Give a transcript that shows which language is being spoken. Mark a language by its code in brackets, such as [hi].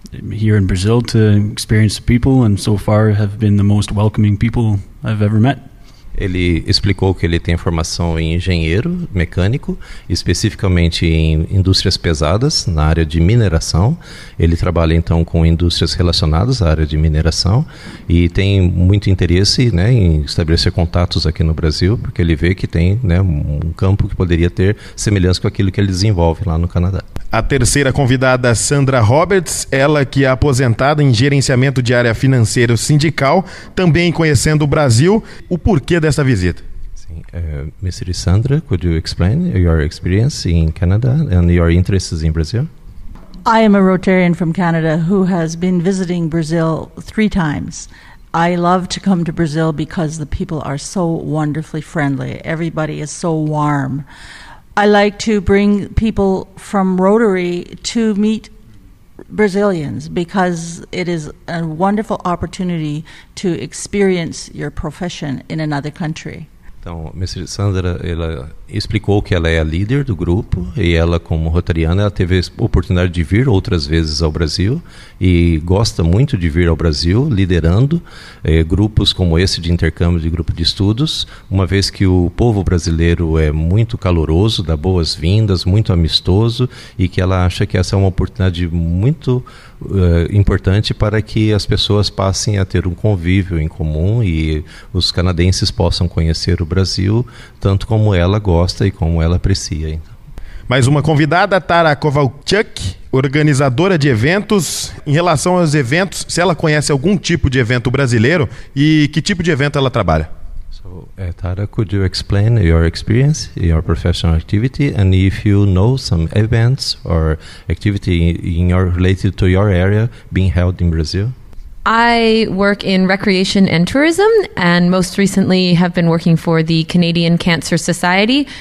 [en] Here in Brazil to experience people, and so far have been the most welcoming people I've ever met. [pt] Ele explicou que ele tem formação em engenheiro mecânico, especificamente em indústrias pesadas, na área de mineração. Ele trabalha, então, com indústrias relacionadas à área de mineração e tem muito interesse, né, em estabelecer contatos aqui no Brasil, porque ele vê que tem, né, um campo que poderia ter semelhança com aquilo que ele desenvolve lá no Canadá. A terceira convidada, Sandra Roberts, ela que é aposentada em gerenciamento de área financeira sindical, também conhecendo o Brasil. O porquê dessa visita? Sim. Mr. [en] Sandra, could you explain your experience in Canada and your interests in Brazil? I am a Rotarian from Canada who has been visiting Brazil 3 times. I love to come to Brazil because the people are so wonderfully friendly. Everybody is so warm. I like to bring people from Rotary to meet Brazilians because it is a wonderful opportunity to experience your profession in another country. [pt] Então, Mr. Sandra, ela explicou que ela é a líder do grupo e ela, como rotariana, ela teve a oportunidade de vir outras vezes ao Brasil e gosta muito de vir ao Brasil liderando grupos como esse de intercâmbio de grupo de estudos, uma vez que o povo brasileiro é muito caloroso, dá boas-vindas, muito amistoso e que ela acha que essa é uma oportunidade muito importante para que as pessoas passem a ter um convívio em comum e os canadenses possam conhecer o Brasil tanto como ela gosta e como ela aprecia. Mais uma convidada, Tara Kovalchuk, organizadora de eventos. Em relação aos eventos, se ela conhece algum tipo de evento brasileiro e que tipo de evento ela trabalha? [en] Tara, could you explain your experience, your professional activity, and if you know some events or activity in your related to your area being held in Brazil? I work in recreation and tourism, and most recently have been working for the Canadian Cancer Society.